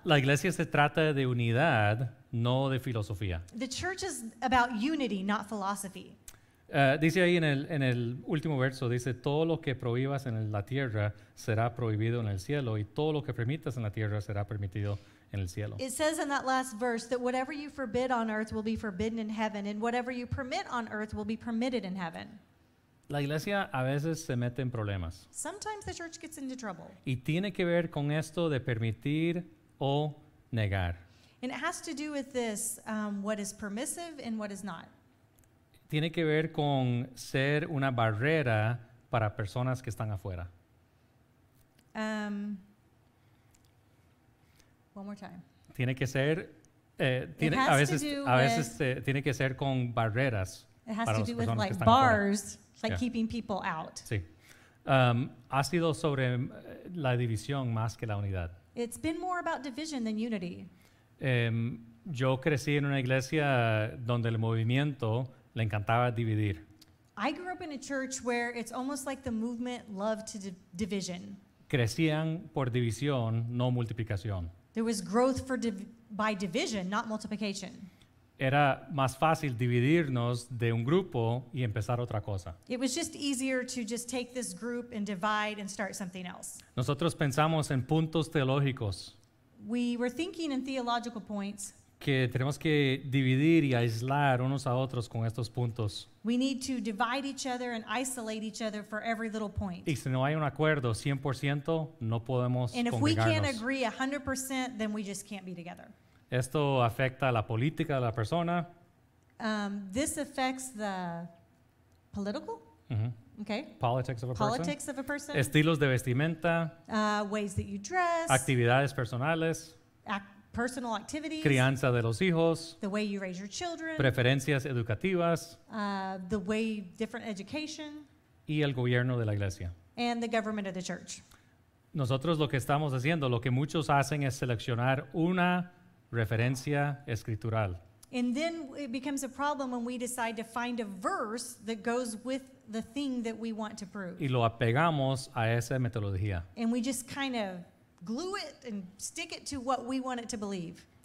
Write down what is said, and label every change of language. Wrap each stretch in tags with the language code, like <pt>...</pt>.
<es>La iglesia se trata de unidad, no de filosofía.</es> <en>The church is about unity, not philosophy.</en> <es>Dice ahí en el último verso, dice, todo lo que prohíbas en la tierra será prohibido en el cielo, y todo lo que permitas en la tierra será permitido en el cielo.</es> <en>It says in that last verse that whatever you forbid on earth will be forbidden in heaven, and whatever you permit on earth will be permitted in heaven.</en> <es>La iglesia a veces se mete en problemas.</es> <en>Sometimes the church gets into trouble.</en> <es>Y tiene que ver con esto de permitir o negar.</es> <en>And it has to do with this, what is permissive and what is not.</en> <es>Tiene que ver con ser una barrera para personas que están afuera.</es> <en>One more time.</en> <es>Tiene que ser, tiene que ser con barreras.</es> <en>It has to do with like bars, like keeping people out.</en> <es>Sí. Ha sido sobre la división más que la unidad.</es> <en>It's been more about division than unity.</en> <es>Yo crecí en una iglesia donde el movimiento le encantaba dividir.</es> <en>I grew up in a church where it's almost like the movement loved to division.</en> <es>Crecían por división, no multiplicación.</es> <en>There was growth by division, not multiplication.</en> <es>Era más fácil dividirnos de un grupo y empezar otra cosa.</es> <en>It was just easier to just take this group and divide and start something else.</en> <es>Nosotros pensamos en puntos teológicos.</es> <en>We were thinking in theological points.</en> <es>Que tenemos que dividir y aislar unos a otros con estos puntos.</es> <en>We need to divide each other and isolate each other for every little point.</en> <es>Y si no hay un acuerdo 100%, no podemos congregarnos.</es> <en>And if we can't agree 100%, then we just can't be together.</en> <es>Esto afecta a la política de la persona.</es> <en>This affects the political? Mm-hmm. Okay. Politics of a person.</en> <es>Estilos de vestimenta.</es> <en>Ways that you dress.</en> <es>Actividades personales.</es> <en>Personal activities.</en> <es>Crianza de los hijos.</es> <en>The way you raise your children.</en> <es>Preferencias educativas.</es> <en>The way different education.</en> <es>Y el gobierno de la iglesia.</es> <en>And the government of the church.</en> <es>Nosotros lo que estamos haciendo, lo que muchos hacen es seleccionar una referencia escritural.</es> <en>And then it becomes a problem when we decide to find a verse that goes with the thing that we want to prove.</en> <es>Y lo apegamos a esa metodología.</es> <en>And we just kind of glue it and stick it to what we want it to believe.</en>